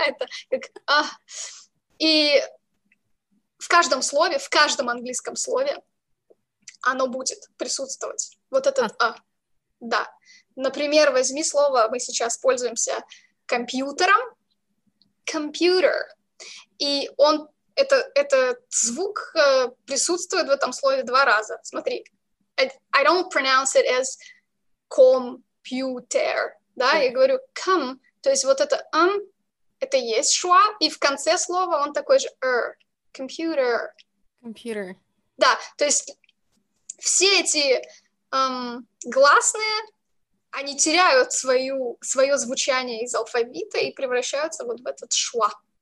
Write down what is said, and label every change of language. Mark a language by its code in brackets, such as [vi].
[ru] Это как И в каждом слове, в каждом английском слове оно будет присутствовать. Вот этот Да. Например, возьми слово, мы сейчас пользуемся компьютером. [en] Computer. [ru] И он, этот звук присутствует в этом слове два раза. Смотри. [en] I don't pronounce it as computer. [ru] Да, я говорю come. То есть вот это это есть шва, и в конце слова он такой же computer. [en] Computer. [ru] Да, то есть все эти гласные, они теряют свое звучание из алфавита и превращаются вот в этот шва.